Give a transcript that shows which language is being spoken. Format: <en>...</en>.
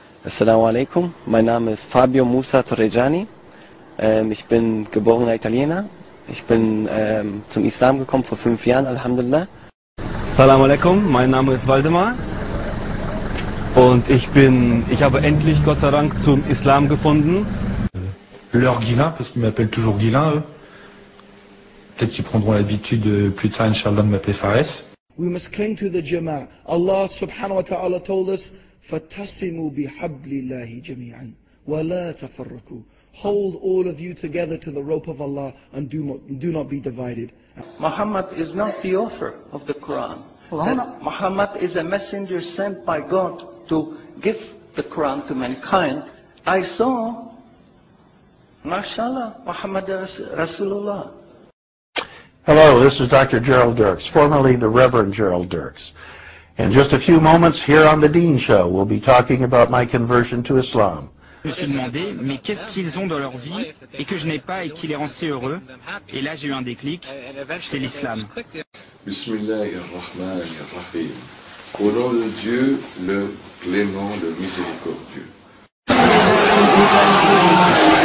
<ar>Assalamu alaikum.</ar> <de>Mein Name ist Fabio Musa Torrejani. Ich bin geborener Italiener. Ich bin zum Islam gekommen vor 5 Jahren, Alhamdulillah.</de> <ar>Assalamu alaikum.</ar> <de>Mein Name ist Waldemar. Und ich habe endlich, Gott sei Dank, zum Islam gefunden.</de> <fr>Leur Guilain, parce qu'ils m'appellent toujours Guilain, eux. Peut-être qu'ils prendront l'habitude plus tard, inshallah, de m'appeler Fares.</fr> <en>We must cling to the Jama'ah.</en> <ar>Allah subhanahu wa ta'ala</ar> <en>told us,</en> <ar>فَتَصِمُوا بِحَبْلِ اللَّهِ جَمِيعًا وَلَا تَفَرَّكُوا.</ar> <en>Hold all of you together to the rope of Allah and do not be divided. Muhammad is not the author of the Quran. Muhammad is a messenger sent by God to give the Quran to mankind. I saw, mashallah, Muhammad Rasulullah. Hello, this is Dr. Gerald Dirks, formerly the Reverend Gerald Dirks. In just a few moments here on the Dean Show, we'll be talking about my conversion to Islam.</en> <fr>Je me suis demandé, mais qu'est-ce qu'ils ont dans leur vie et que je n'ai pas et qui les rend si heureux? Et là, j'ai eu un déclic, c'est l'islam.</fr> <ar>Bismillahirrahmanirrahim.</ar> <fr>Au nom de Dieu, le clément, le miséricordieux.</fr>